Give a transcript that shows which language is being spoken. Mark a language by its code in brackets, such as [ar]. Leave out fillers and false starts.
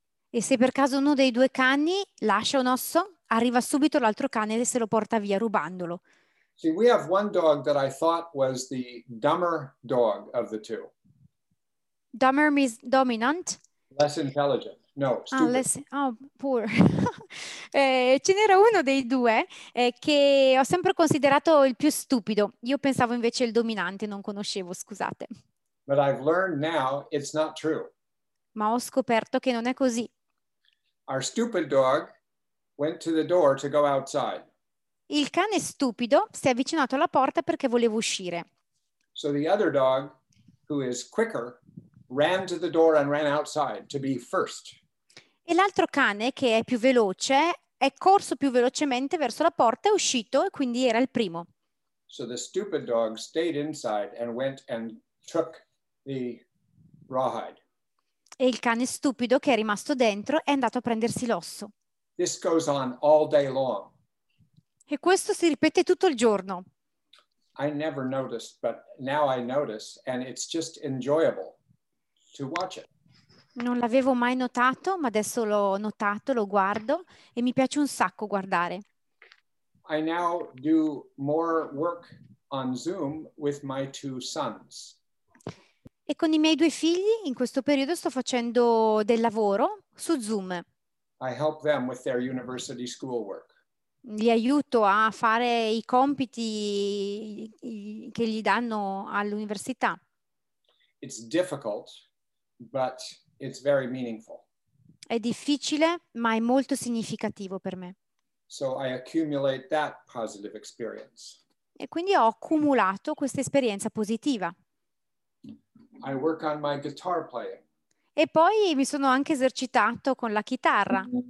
[it] E se per caso uno dei due cani lascia un osso, arriva subito l'altro cane e se lo porta via rubandolo. [en] See, we have one dog that I thought was the dumber dog of the two. Dumber means dominant? Less intelligent. No, stupid. Poor. [it] ce n'era uno dei due che ho sempre considerato il più stupido. Io pensavo invece il dominante, non conoscevo, scusate. [en] But I've learned now it's not true. [it] Ma ho scoperto che non è così. [en] Our stupid dog went to the door to go outside. [it] Il cane stupido si è avvicinato alla porta perché voleva uscire. [en] So the other dog, who is quicker, ran to the door and ran outside to be first. [it] E l'altro cane, che è più veloce, è corso più velocemente verso la porta, è uscito e quindi era il primo. [en] So the stupid dog stayed inside and went and took the rawhide. [it] E il cane stupido, che è rimasto dentro, è andato a prendersi l'osso. [en] This goes on all day long. [it] E questo si ripete tutto il giorno. [en] I never noticed, but now I notice, and it's just enjoyable to watch it. [it] Non l'avevo mai notato, ma adesso l'ho notato, lo guardo e mi piace un sacco guardare. [en] I now do more work on Zoom with my two sons. [it] E con I miei due figli in questo periodo sto facendo del lavoro su Zoom. [en] I help them with their university schoolwork. [it] Li aiuto a fare I compiti che gli danno all'università. [en] It's difficult, but it's very meaningful. [it] È difficile, ma è molto significativo per me. [en] So I accumulate that positive experience. [it] E quindi ho accumulato questa esperienza positiva. [en] I work on my guitar playing. [it] E poi mi sono anche esercitato con la chitarra.